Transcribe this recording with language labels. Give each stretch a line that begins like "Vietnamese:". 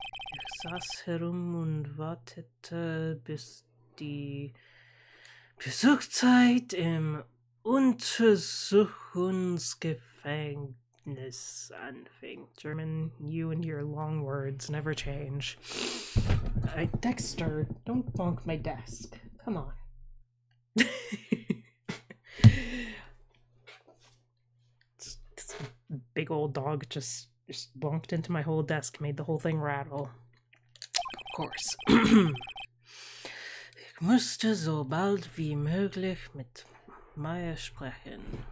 German: Ich saß herum und wartete, bis die Besuchszeit im Untersuchungsgefängnis anfing.
English: German, you and your long words never change. Dexter, don't bonk my desk. Come on. This big old dog just bonked into my whole desk, made the whole thing rattle. Of course.
German: Ich musste so bald wie möglich mit Maya sprechen.